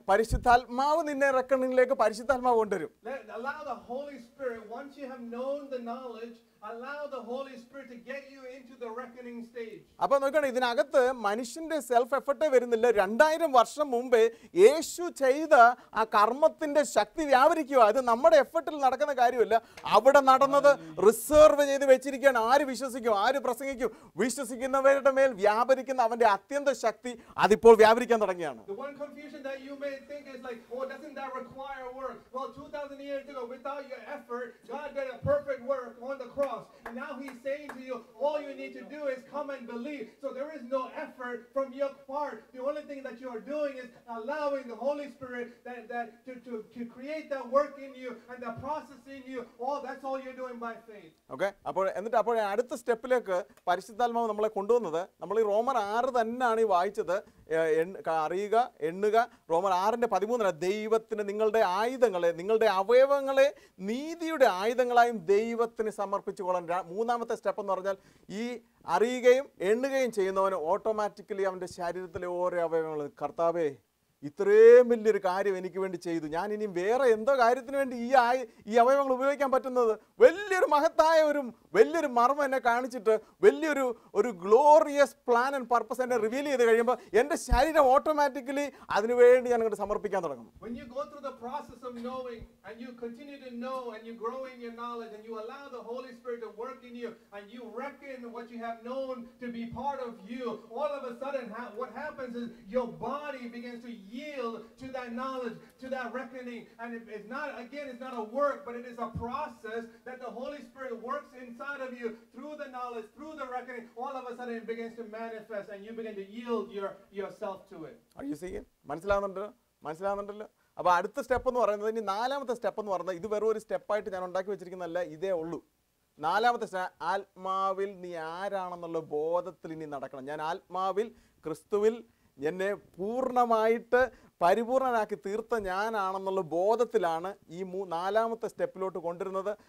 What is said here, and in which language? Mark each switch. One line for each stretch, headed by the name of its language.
Malayalam: പരിശുദ്ധാത്മാവ് നിന്നെ റെക്കണിംഗിലേക്ക് പരിശുദ്ധാത്മാവ് കൊണ്ടുവരും.
English: Allow the Holy Spirit, once you have known the knowledge, allow the Holy Spirit to get you into the reckoning stage.
Malayalam: അപ്പോൾ നോക്കണം, ഇതിനകത്ത് മനുഷ്യന്റെ സെൽഫ് എഫർട്ട് വരുന്നില്ല. 2,000 വർഷം മുമ്പേ യേശു ചെയ്ത ആ കർമ്മത്തിന്റെ ശക്തി വ്യാപരിക്കുക. അത് നമ്മുടെ എഫർട്ടിൽ നടക്കുന്ന കാര്യമല്ല. അവിടെ നടന്നത് റിസർവ് ചെയ്ത് വെച്ചിരിക്കുകയാണ്. ആര് വിശ്വസിക്കും, ആര് പ്രസംഗിക്കും? വിശ്വസിക്കുന്നവരുടെ മേൽ വ്യാപരിക്കുന്ന അവന്റെ അത്യന്ത ശക്തി അതിപ്പോൾ വ്യാപരിക്കാൻ തുടങ്ങിയാണ്.
English: One confusion that you may think is like, oh, doesn't that require work? Well, 2,000 years ago, without your effort, God did a perfect work on the cross. And now he's saying to you, all you need to do is come and believe. So there is no effort from your part. The only thing that you are doing is allowing the Holy Spirit to create that work in you and the process in you. Oh, that's all you're doing by faith. Okay.
Malayalam: അപ്പോൾ എന്നിട്ട് അപ്പോൾ അടുത്ത സ്റ്റെപ്പിലേക്ക് പരിശുദ്ധാത്മാവ് നമ്മളെ കൊണ്ടുവന്നത് നമ്മൾ ഈ റോമർ 6 തന്നെയാണ് ഈ വായിച്ചത്. അറിയുക, എണ്ണുക. റോമർ 6:13 ദൈവത്തിന് നിങ്ങളുടെ ആയുധങ്ങളെ, നിങ്ങളുടെ അവയവങ്ങളെ നീതിയുടെ ആയുധങ്ങളായും ദൈവത്തിന് സമർപ്പിച്ചുകൊള്ളാൻ. മൂന്നാമത്തെ സ്റ്റെപ്പ് എന്ന് പറഞ്ഞാൽ ഈ അറിയുകയും എണ്ണുകയും ചെയ്യുന്നവന് ഓട്ടോമാറ്റിക്കലി അവൻ്റെ ശരീരത്തിലെ ഓരോ അവയവങ്ങൾ, കർത്താവേ ഇത്രയും വലിയൊരു കാര്യം എനിക്ക് വേണ്ടി ചെയ്തു, ഞാൻ ഇനിയും വേറെ എന്തോ കാര്യത്തിന് വേണ്ടി ഈ അവയവങ്ങൾ ഉപയോഗിക്കാൻ പറ്റുന്നത്? വലിയൊരു മഹത്തായ ഒരു വലിയൊരു മർമ്മം എന്നെ കാണിച്ചിട്ട് വലിയൊരു ഒരു
English: glorious plan and purpose
Malayalam: എന്നെ റിവീൽ ചെയ്ത് കഴിയുമ്പോൾ എൻ്റെ ശരീരം ഓട്ടോമാറ്റിക്കലി അതിനുവേണ്ടി ഞാൻ അങ്ങോട്ട് സമർപ്പിക്കാൻ തുടങ്ങും.
English: When you go through the process of knowing and you continue to know and you grow in your knowledge and you allow the Holy Spirit to work in you and you reckon what you have known to be part of you, all of a sudden what happens is your body begins to yield to that that knowledge, to that reckoning. And it's not, again, it's not a work, but it is a process that the Holy Spirit works inside of you through the knowledge, through the reckoning. All of a sudden it begins to manifest and you begin to yield yourself to it. Are you seeing?
Malayalam: മനസ്സിലാവുന്നുണ്ടല്ലോ. അപ്പൊ അടുത്ത step എന്ന് പറയുന്നത്, ഇനി നാലാമത്തെ step എന്ന് പറയുന്നത്, ഇത് വെറും ഒരു സ്റ്റെപ്പായിട്ട് ഞാൻ ഉണ്ടാക്കി വെച്ചിരിക്കുന്നല്ല, ഇതേ ഉള്ളൂ. നാലാമത്തെ ആത്മാവിൽ നീ ആരാണെന്നുള്ള ബോധത്തിൽ ഇനി നടക്കണം. ഞാൻ ആത്മാവിൽ ക്രിസ്തുവിൽ എന്നെ പൂർണ്ണമായിട്ട് പരിപൂർണനാക്കി തീർത്ത ഞാനാണെന്നുള്ള ബോധത്തിലാണ് ഈ നാലാമത്തെ സ്റ്റെപ്പിലോട്ട് കൊണ്ടുവരുന്നത്.